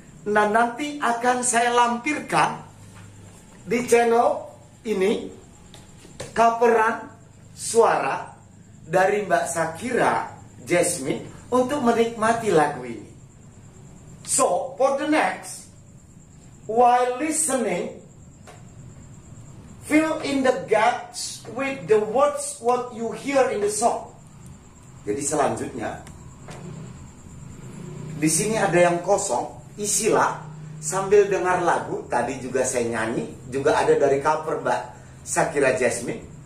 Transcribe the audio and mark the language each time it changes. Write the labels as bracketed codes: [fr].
[id] Nah, nanti akan saya lampirkan di channel ini coveran suara dari Mbak Shakira Jasmine untuk menikmati lagu ini. [en] So, for the next, while listening, fill in the gaps with the words what you hear in the song. [id] Jadi selanjutnya, di sini ada yang kosong, isilah sambil dengar lagu. Tadi juga saya nyanyi, juga ada dari cover Mbak Shakira Jasmine.